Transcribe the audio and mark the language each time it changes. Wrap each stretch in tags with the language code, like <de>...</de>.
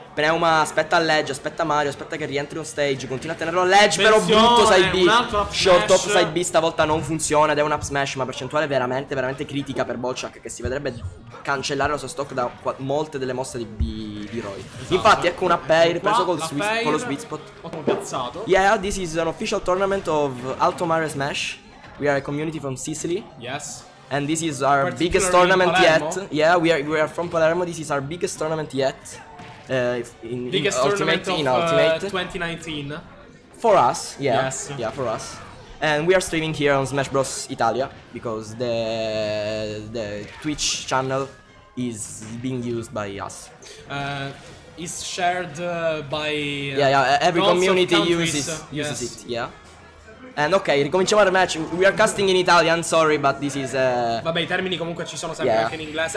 <it>Pneuma aspetta a ledge, aspetta Mario, aspetta che rientri on stage. Continua a tenerlo a ledge. Attenzione, però brutto side B. Un altro up smash. Short top side B stavolta non funziona ed è un up smash. Ma percentuale veramente, veramente critica per Bolchak, che si vedrebbe cancellare la sua stock da molte delle mosse di Roy. Esatto. Infatti, ecco un up air preso con lo sweet spot. Ho piazzato.</it> <en>Yeah, this is an official tournament of Alto Mario Smash. We are a community from Sicily. Yes. And this is our biggest tournament yet. Yeah, we are from Palermo. This is our biggest tournament yet. In Ultimate 2019. For us, yeah. Yes. Yeah, for us. And we are streaming here on Smash Bros. Italia because the Twitch channel is being used by us. Is shared by. Yeah. Every community uses it. Yeah.</en> <it>And ok, ricominciamo il match.</it> <en>We are casting in Italian, sorry, but this is.</en> <it>Vabbè, i termini comunque ci sono sempre anche in inglese.</it>